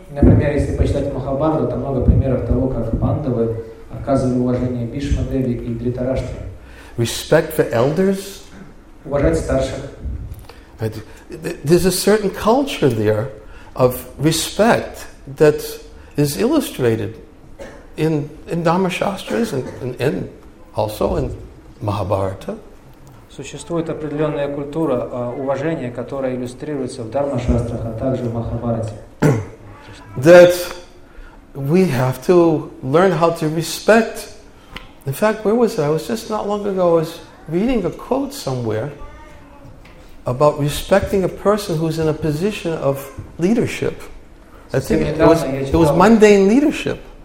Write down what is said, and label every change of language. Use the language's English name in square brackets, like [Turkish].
[Russian] Например, если почитать Махабхарату, там много примеров того, как Пандавы оказывали уважение Бишма Деви и Дхритараштре. [English] Respect for elders. [Russian] Уважать старших. [English] There's a certain culture there of respect that is illustrated in Dhamma Shastras and also in Mahabharata. [Russian] Существует определенная культура уважения, которая иллюстрируется в Дхамма Шастрах, а также в Махабхарате. [English] That we have to learn how to respect. In fact, where was it? I was just not long ago. I was reading a quote somewhere about respecting a person who's in a position of leadership. I think it was mundane leadership.